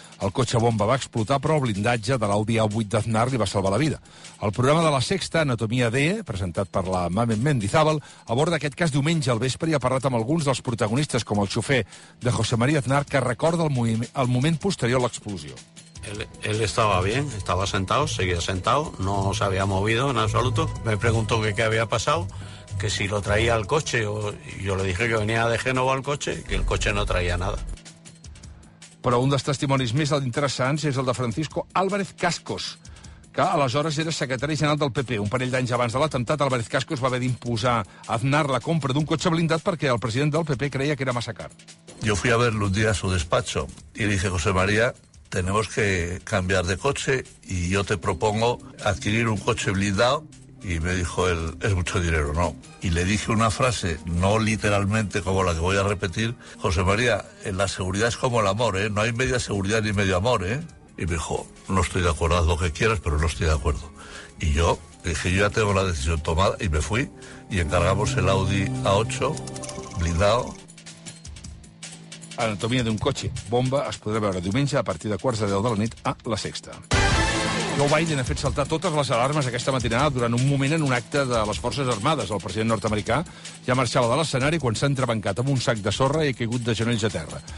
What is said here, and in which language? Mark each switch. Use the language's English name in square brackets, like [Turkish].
[Catalan] El cotxe bomba va explotar, però el blindatge de l'Audi A8 d'Aznar li va salvar la vida. El programa de La Sexta, Anatomia D, presentat per la Mamen Mendizábal, aborda aquest cas diumenge al vespre i ha parlat amb alguns dels protagonistes, com el xofer de José María Aznar, que recorda el moment posterior a l'explosió. [Spanish] Él estaba bien, estaba sentado, seguía sentado, no se había movido en absoluto. Me preguntó qué había pasado. que si lo traía al coche, o yo le dije que venía de Génova al coche, que el coche no traía nada. Però un dels testimonis més interessants és el de Francisco Álvarez Cascos, que aleshores era secretari general del PP. Un parell d'anys abans de l'atemptat, Álvarez Cascos va haver d'imposar a Aznar la compra d'un cotxe blindat perquè el president del PP creia que era massa car. Yo fui a verlo un día a su despacho y dije, José María, tenemos que cambiar de coche y yo te propongo adquirir un coche blindado. Y me dijo él, es mucho dinero, ¿no? Y le dije una frase, no literalmente como la que voy a repetir, José María, en la seguridad es como el amor, ¿eh? No hay media seguridad ni medio amor, ¿eh? Y me dijo, no estoy de acuerdo, haz lo que quieras, pero no estoy de acuerdo. Y yo dije, yo ya tengo la decisión tomada y me fui y encargamos el Audi A8 blindado. [Catalan] Anatomia d'un cotxe bomba es podrà veure diumenge a partir de 9:15 de la nit a la Sexta. Joe Biden ha fet saltar totes les alarmes aquesta matinada durant un moment en un acte de les Forces Armades. El president nord-americà ja marxava de l'escenari quan s'ha entrebancat amb un sac de sorra i ha caigut de genolls a terra.